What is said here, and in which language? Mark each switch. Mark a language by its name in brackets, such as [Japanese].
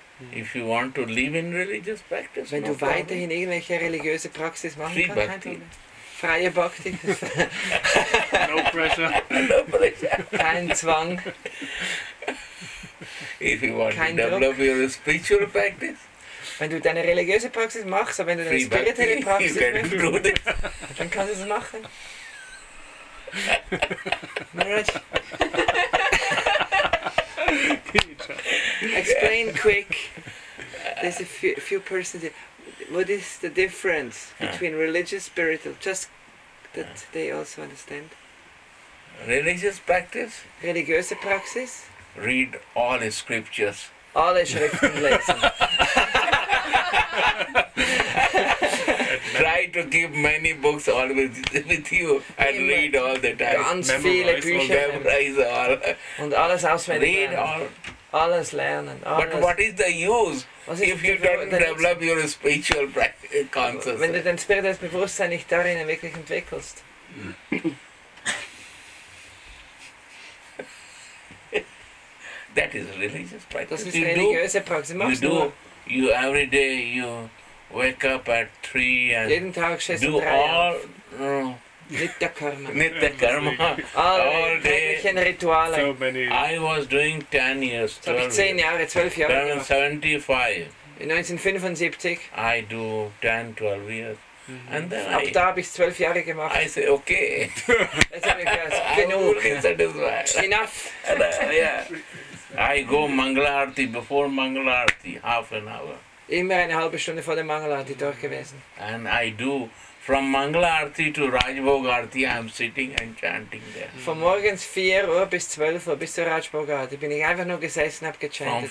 [English] If you want to live in religious practice, [German] wenn du weiterhin irgendwelche religiöse Praxis machen kannst, kein Problem. Freie Bhakti. [English] No pressure. No pressure. [German] Kein Zwang. [English] If you want to develop your spiritual practice. [German] Wenn du deine religiöse Praxis machst, aber wenn du deine spirituelle Praxis machst, dann kannst du es machen. Maraj. [English] Explain quick. There's a few persons here. What is the difference between religious and spiritual? Just that they also understand. Religious practice? [German] Religiöse Praxis? [English] Read all the scriptures. [German] Alle Schriften lesen. [English] Try to keep many books always with you and read all the time. [German] Ganz viele Bücher. [English] Memorize all. [German] Und alles auswendig lernen. [English] Read all. [German] Alles lernen. Alles. [English] But what is the use if you don't develop your spiritual consciousness? [German] Wenn du dein spirituelles Bewusstsein nicht darin wirklich entwickelst. [English] That is religious practice. [German] Das ist religiöse Praxis. [English] You do. You every day you wake up at 3 and [German] jeden Tag [English] do [German] drei [English] all Nitya Karma. Nitya Karma. All day. So many. I was doing 10 years. [German] So 10 Jahre, 12 Jahre. 1975. In 1975. [English] I do 10, 12 years. And then [German] ab da habe ich 12 Jahre gemacht. [English] I say, okay. [German] Genug. [English] Enough. I go Mangalarti before Mangalarti, half an hour. [German] Immer eine halbe Stunde vor der Mangalarti dort gewesen. [English] And I do from Mangalarti to Rajbhogarti, I'm sitting and chanting there. [German] Von morgens 4 Uhr bis 12 Uhr bis zur Rajbhogarti bin ich einfach nur gesessen, hab gechantet.